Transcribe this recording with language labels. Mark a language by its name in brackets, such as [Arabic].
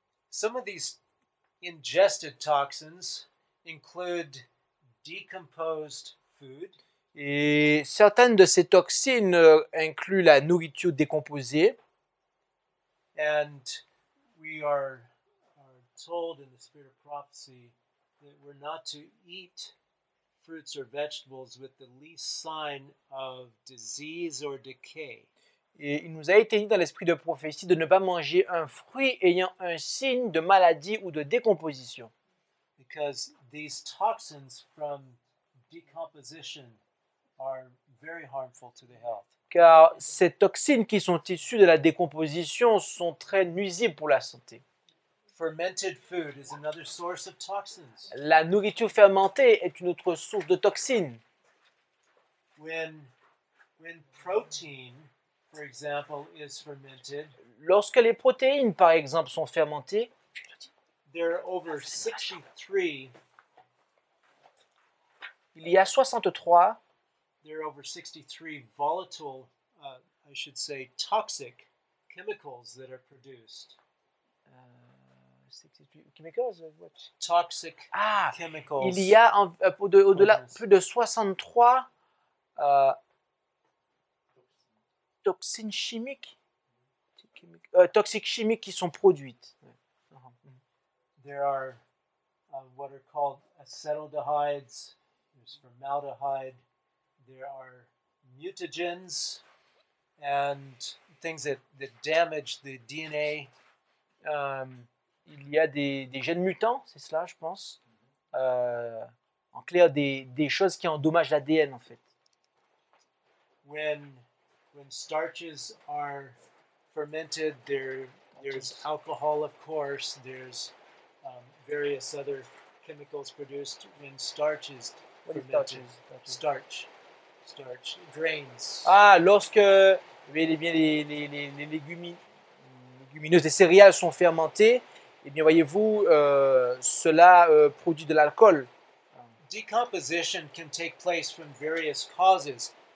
[English] Some of these ingested toxins include decomposed food. [French] Et certaines de ces toxines incluent la nourriture décomposée. [English] And we are told in the spirit of prophecy that we're not to eat fruits or vegetables with the least sign of disease or decay. [French] Et il nous a été dit dans l'esprit de prophétie de ne pas manger un fruit ayant un signe de maladie ou de décomposition. [English] Because these toxins from decomposition are very harmful to the health. [French] Car ces toxines qui sont issues de la décomposition sont très nuisibles pour la santé. [English] Fermented food is another source of toxins. [French] La nourriture fermentée est une autre source de toxines. [English] When protein, for example, is fermented, [French] lorsque les protéines, par exemple, sont fermentées, [English] there are over 63. [French] Il y a 63. [English] There are over 63 volatile, I should say, toxic chemicals that are produced. Chemicals, what? Toxic chemicals. [French] Il y a au-delà plus de 63 toxiques chimiques qui sont produites. [English] There are what are called acetaldehydes, there's formaldehyde, there are mutagens and things that damage the DNA. [French] Il y a des gènes mutants, c'est cela, je pense. En clair, des choses qui endommagent l'ADN, en fait. [English] When starches are fermented, there's alcohol, of course. There's various other chemicals produced when starch is fermented. Starch, grains. [French] Ah, lorsque les légumineuses, les céréales sont fermentées. Eh bien, voyez-vous, cela produit de l'alcool. [English] Decomposition can take place from various causes.